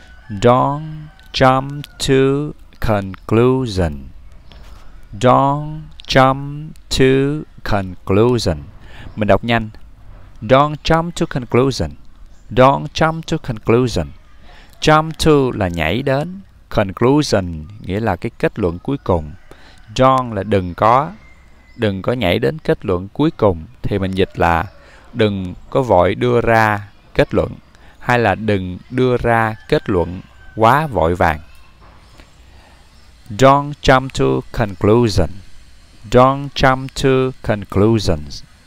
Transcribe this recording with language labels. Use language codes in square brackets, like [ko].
[en] Don't jump to conclusion. Don't jump to conclusion. [vi] Mình đọc nhanh. [en] Don't jump to conclusion. Don't jump to conclusion. [vi] Jump to là nhảy đến. Conclusion nghĩa là cái kết luận cuối cùng. Don't là đừng có. Đừng có nhảy đến kết luận cuối cùng. Thì mình dịch là đừng có vội đưa ra kết luận. Hay là đừng đưa ra kết luận quá vội vàng. [en] Don't jump to conclusion. Don't jump to conclusions.